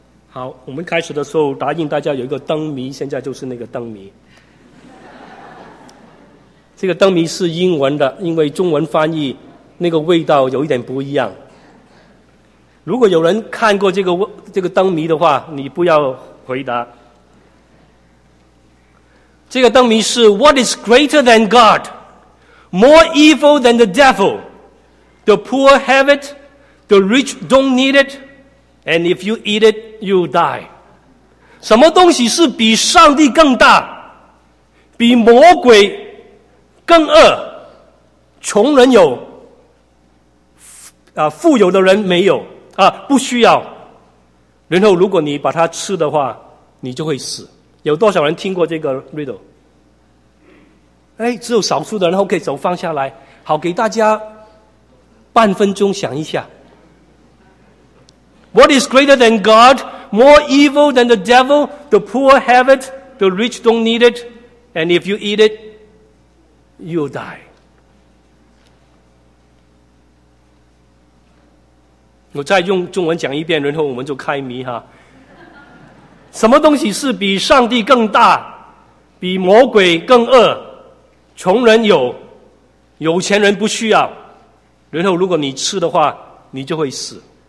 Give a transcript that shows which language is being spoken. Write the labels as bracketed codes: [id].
[zh] 好，我们开始的时候答应大家有一个灯谜，现在就是那个灯谜。这个灯谜是英文的，因为中文翻译那个味道有一点不一样。如果有人看过这个灯谜的话，你不要回答。这个灯谜是 [en] What is greater than God? More evil than the devil? The poor have it, the rich don't need it, and if you eat it, you'll die. [zh] 什么东西是比上帝更大，比魔鬼更恶，穷人有，富有的人没有，不需要。然后如果你把它吃的话，你就会死。有多少人听过这个 riddle？哎，只有少数的人，OK，手放下来。好，给大家半分钟想一下。 [en] What is greater than God? More evil than the devil? The poor have it, the rich don't need it, and if you eat it, you'll die. [zh] 我再用中文讲一遍，然后我们就开谜哈。什么东西是比上帝更大，比魔鬼更恶？穷人有，有钱人不需要。然后如果你吃的话，你就会死。